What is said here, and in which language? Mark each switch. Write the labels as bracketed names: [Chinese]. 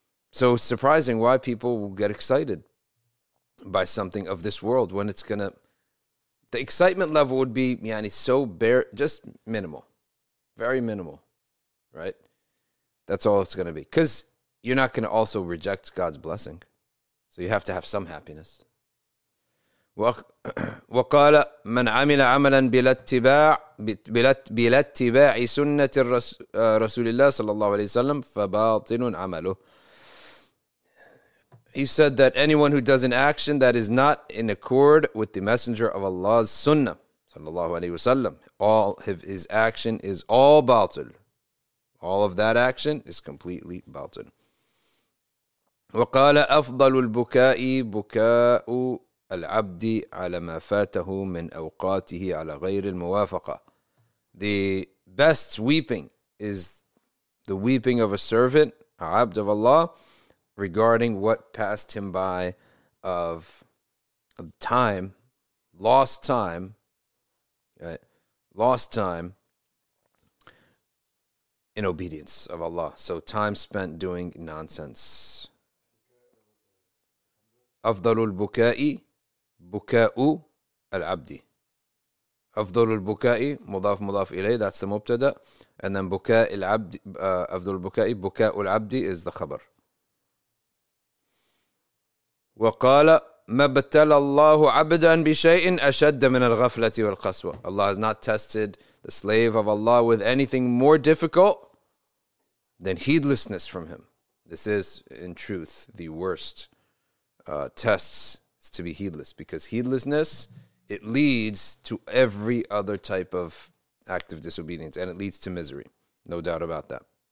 [English] So it's surprising why people will get excited by something of this world when it's going to... The excitement level would be, yani, so bare, just minimal. Very minimal. Right? That's all it's going to be. Because you're not going to also reject God's blessing. So you have to have some happiness. [Arabic] وقال من عمل عملا بلا اتباع سنة رسول الله صلى الله عليه وسلم فباطل عمله. [English] He said that anyone who does an action that is not in accord with the messenger of Allah's sunnah [Arabic] صلى الله عليه وسلم, [English] all his action is all باطل. All of that action is completely باطل. [Arabic] وقال أفضل البكاء بكاء العبد على ما فاته من أوقاته على غير الموافقة. [English] The best weeping is the weeping of a servant, a abd of Allah, regarding what passed him by of time, lost time, right? Lost time in obedience of Allah. So time spent doing nonsense. [Arabic] أفضل البكاء بكاء العبد. أفضل البكاء مضاف مضاف إليه, [English] that's the [Arabic] مبتدأ. [English] And then [Arabic] بكاء العبد, أفضل البكاء بكاء العبد [English] is the [Arabic] خبر. وقال ما بتل الله عبدا بشيء أشد من الغفلة والقسوة. [English] Allah has not tested the slave of Allah with anything more difficult than heedlessness from him. This is in truth the worst tests, to be heedless, because heedlessness, it leads to every other type of act of disobedience, and it leads to misery, no doubt about that.